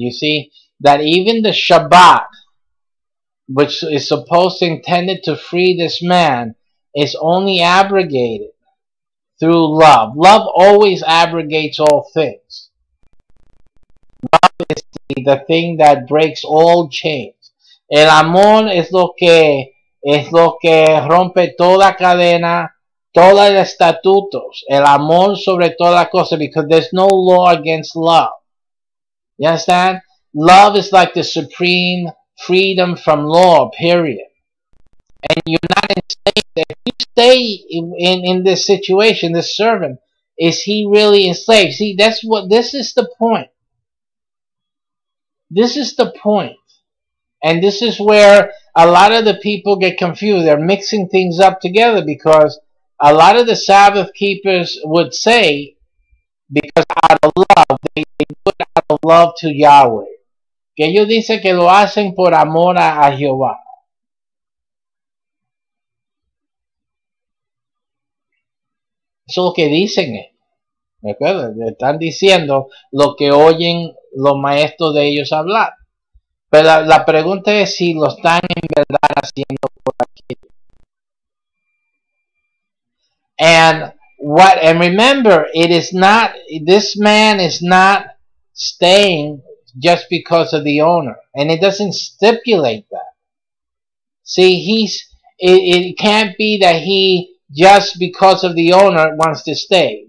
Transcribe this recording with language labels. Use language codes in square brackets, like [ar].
[en] You see that even the Shabbat, which is supposed intended to free this man, is only abrogated through love. Love always abrogates all things. Love is the thing that breaks all chains. [es] El amor es lo que rompe toda cadena, todos los estatutos. El amor sobre toda la cosa, [en] because there's no law against love. You understand? Love is like the supreme freedom from law, period. And you're not enslaved. If you stay in this situation, this servant, is he really enslaved? See, this is the point. This is the point. And this is where a lot of the people get confused. They're mixing things up together, because a lot of the Sabbath keepers would say, because out of love, they do it out of love to Yahweh. [es] Que ellos dicen que lo hacen por amor a Jehová. Eso es lo que dicen. ¿Me acuerdas? Están diciendo lo que oyen los maestros de ellos hablar. Pero la pregunta es si lo están en verdad haciendo por aquello. [en] And remember, it is not, this man is not staying just because of the owner, and it doesn't stipulate that. See, it can't be that he, just because of the owner, wants to stay.